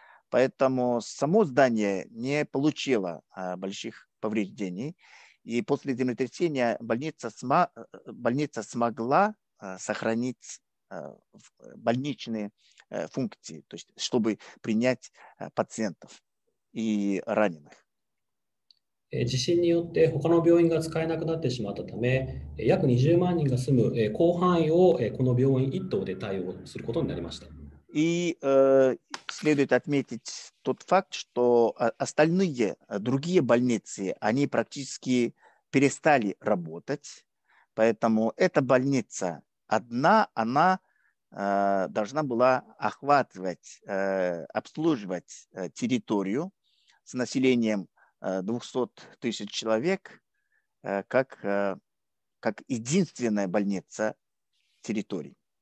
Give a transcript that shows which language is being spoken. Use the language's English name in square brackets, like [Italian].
[Russian] Поэтому само здание не получило больших повреждений, и после землетрясения больница смогла сохранить больничные функции, то есть чтобы принять пациентов и раненых. [Japanese] 地震によって他の病院が使えなくなってしまったため、約20万人が住む広範囲をこの病院1棟で対応することになりました。 [Russian] И следует отметить тот факт, что остальные другие больницы, они практически перестали работать, поэтому эта больница одна, она должна была охватывать, обслуживать территорию с населением 200 тысяч человек, как единственная больница территории.